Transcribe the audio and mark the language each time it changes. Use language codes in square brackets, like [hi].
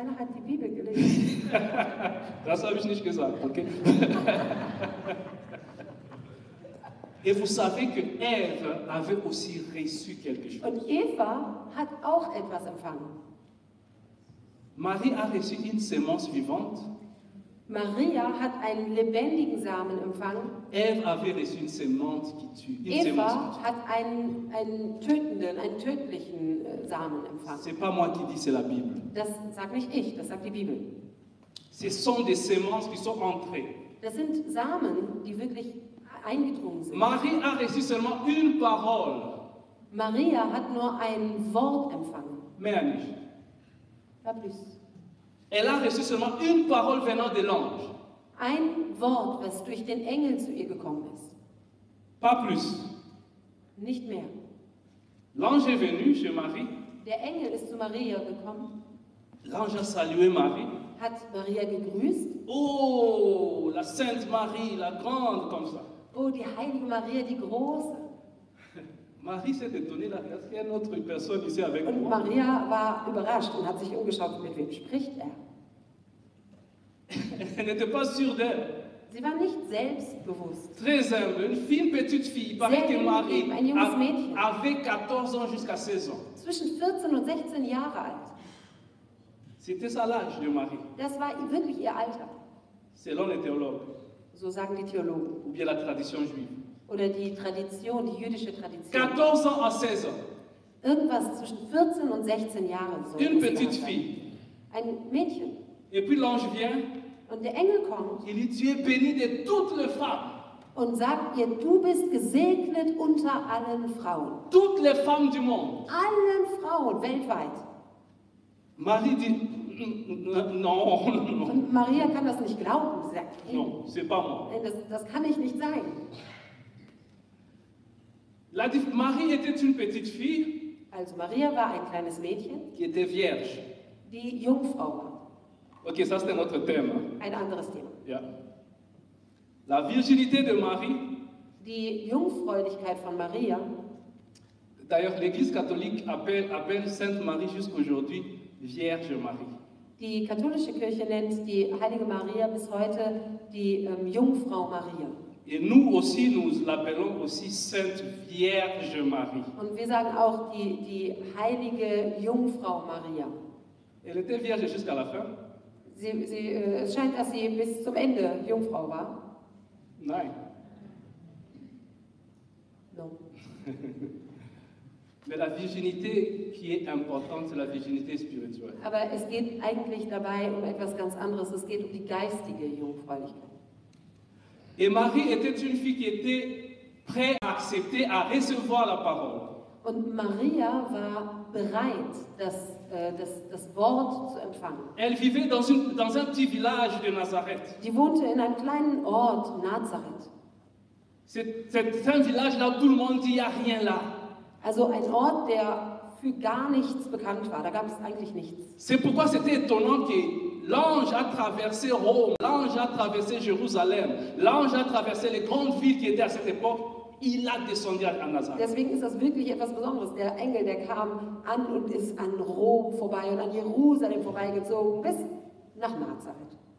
[de] Einer hat die Bibel gelesen. Das habe ich nicht gesagt, okay? [fr] Et vous savez que Eve avait aussi reçu quelque chose. [de] Und Eva hat auch etwas empfangen. [fr] Marie a reçu une semence vivante. [de] Maria hat einen lebendigen Samen empfangen. [fr] Eve avait reçu une semence qui tue. [de] Eva hat einen tödlichen Samen empfangen. [fr] C'est pas moi qui dis, c'est la Bible. [de] Das sage nicht ich, das sagt die Bibel. [fr] Ce sont des semences qui sont entrées. [de] Das sind Samen, die wirklich eingedrungen sind. [fr] Marie a reçu seulement une parole. [de] Maria hat nur ein Wort empfangen. Mehr nicht. [fr] Pas plus. Elle a reçu seulement une parole venant de l'ange. [de] Ein Wort, was durch den Engel zu ihr gekommen ist. [fr] Pas plus. [de] Nicht mehr. [fr] L'ange est venu chez Marie. [de] Der Engel ist zu Maria gekommen. [fr] L'ange a salué Marie. [de] Hat Maria gegrüßt. [fr] Oh, la Sainte Marie, la grande, comme ça. [de] Oh, die heilige Maria, die große. [fr] Marie s'est étonnée, là, est-ce qu'il y a une autre personne ici avec [de] und [fr] moi? [de] Und Maria war überrascht und hat sich umgeschaut, mit wem spricht er? [fr] Elle n'était pas sûre d'elle. [de] Sie war nicht selbstbewusst. [fr] Très humble, une fine petite fille. [de] Sehr [fr] paraît que [de] Marie ein junges Mädchen. [fr] Avait 14 ans jusqu'à 16 ans. [de] Zwischen 14 und 16 Jahre alt. [fr] C'était ça l'âge de Marie. [de] Das war wirklich ihr Alter. [fr] Selon les théologues. [de] So sagen die Theologen. [fr] Ou bien la tradition juive. [de] Oder die Tradition, die jüdische Tradition. [fr] 14 à 16 ans. [de] Irgendwas zwischen 14 und 16 Jahren. So [fr] une petite fille. [de] Ein Mädchen. [fr] Et puis l'ange vient. [de] Und der Engel kommt. [fr] Il dit, tu es bénie de toutes les femmes. [de] Und sagt ihr, du bist gesegnet unter allen Frauen. [fr] Toutes les femmes du monde. [de] Allen Frauen weltweit. [fr] Marie dit, non. [de] Und Maria kann das nicht glauben. Sie sagt, [fr] hey, non, c'est pas moi. [de] Nein, das kann ich nicht sein. [fr] Marie était une petite fille. [de] Also Maria war ein kleines Mädchen. [fr] Qui était vierge. [de] Die Jungfrau war. [fr] Okay, ça c'est un autre thème. [de] Ein anderes Thema. Ja. [fr] La virginité de Marie. [de] Die Jungfräulichkeit von Maria. [fr] D'ailleurs, l'Église catholique appelle Sainte Marie jusqu'aujourd'hui Vierge Marie. [de] Die katholische Kirche nennt die Heilige Maria bis heute die Jungfrau Maria. [fr] Et nous aussi, nous l'appelons aussi Sainte Vierge Marie. [de] Und wir sagen auch die Heilige Jungfrau Maria. [fr] Elle était vierge jusqu'à la fin. [de] Es scheint, dass sie bis zum Ende Jungfrau war. Nein. [fr] Non. Mais la virginité qui est importante, c'est la virginité spirituelle. [de] Aber es geht eigentlich dabei um etwas ganz anderes. Es geht um die geistige Jungfräulichkeit. [fr] Et Marie était une fille qui était prête à accepter, à recevoir la parole. [de] Und Maria war bereit, das Wort zu empfangen. [fr] Elle vivait dans un petit village de Nazareth. [de] Die wohnte in einem kleinen Ort, Nazareth. [fr] C'est un village là où tout le monde dit, y a rien là. [de] Also ein Ort, der für gar nichts bekannt war. Da gab es eigentlich nichts. [fr] C'est pourquoi c'était étonnant que l'ange a traversé Rome, l'ange a traversé Jérusalem, l'ange a traversé les grandes villes qui étaient à cette époque. Il a descendu à Nazareth. [de] Deswegen ist das wirklich etwas Besonderes. Der Engel, der kam an und ist an Rom vorbei und an Jerusalem vorbeigezogen bis nach Nazareth.